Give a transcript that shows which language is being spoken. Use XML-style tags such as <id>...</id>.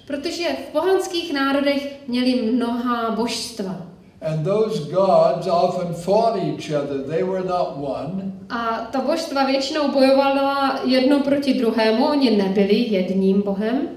<cs>Protože v pohanských národech měli mnohá božstva.</cs> <en>And those gods often fought each other. They were not one.</en> <cs>A ta božstva většinou bojovala jedno proti druhému, oni nebyli jedním bohem.</cs>